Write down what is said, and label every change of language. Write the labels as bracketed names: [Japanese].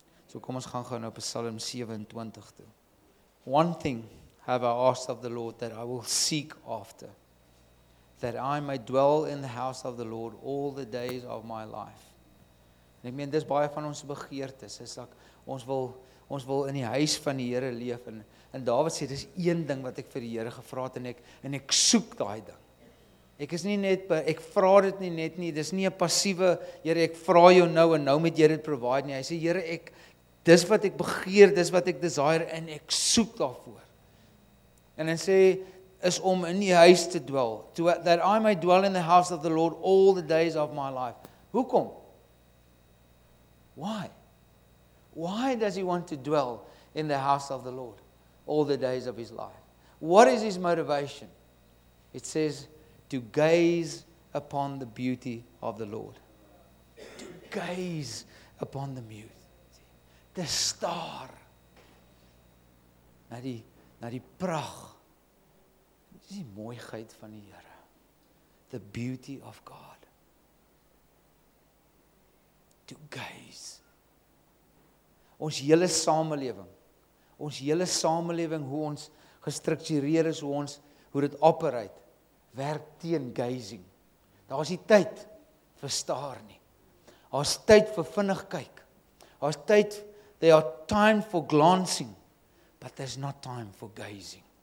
[Afrikaans] So kom ons gaan op Psalm 27 toe. [English] "One thing have I asked of the Lord that I will seek after, that I may dwell in the house of the Lord all the days of my life." [Afrikaans] En ek meen, dis baie van ons begeertes, is dat ons wil in die huis van die Here leef, en Dawid sê, dis een ding wat ek vir die Here gevra het, en ek soek daai ding. Ek is nie net, ek vra dit nie net nie, dis nie 'n passiewe, Here, ek vra jou nou, en nou moet jy dit provide nie. Hy sê, Here, ek, dis wat ek begeer, dis wat ek desire, en ek soek daarvoor. En hy sê, is om in die huis te dwel, [English] that I may dwell in the house of the Lord all the days of my life. [Afrikaans] Hoekom? [English] Why? Why does he want to dwell in the house of the Lord all the days of his life? What is his motivation? It says, to gaze upon the beauty of the Lord. To gaze upon the beauty. The star. [Afrikaans] Na die pracht. Dis die mooiheid van die Here. [English] The beauty of God. To gaze. [Afrikaans] Ons hele samelewing, hoe ons gestruktureer is, hoe dit operate, werk teen gazing. Daar is nie tyd vir staar nie. Daar is tyd vir vinnig kyk. Daar is tyd, [English] there are time for glancing, but there's not time for gazing.